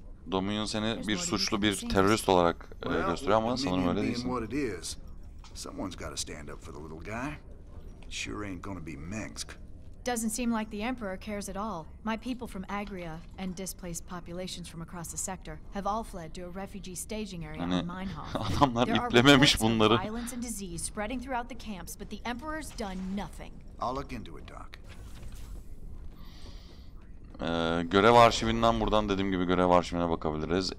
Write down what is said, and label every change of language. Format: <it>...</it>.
<tr>Dominion seni bir suçlu, bir terörist olarak gösteriyor ama sanırım öyle değilsin.</tr> <en>Someone's got to stand up for the little guy. Sure ain't gonna be Minsk. Doesn't seem like the Emperor cares at all. My people from Agria and displaced populations from across the sector have all fled to a refugee staging area in Minehoff.</en> <tr>Adamlar iplememiş bunları.</tr> <en>Violence and disease spreading throughout the camps, but the Emperor's done nothing. I'll look into it, Doc.</en> <tr>Görev arşivinden, buradan dediğim gibi görev arşivine bakabiliriz.</tr>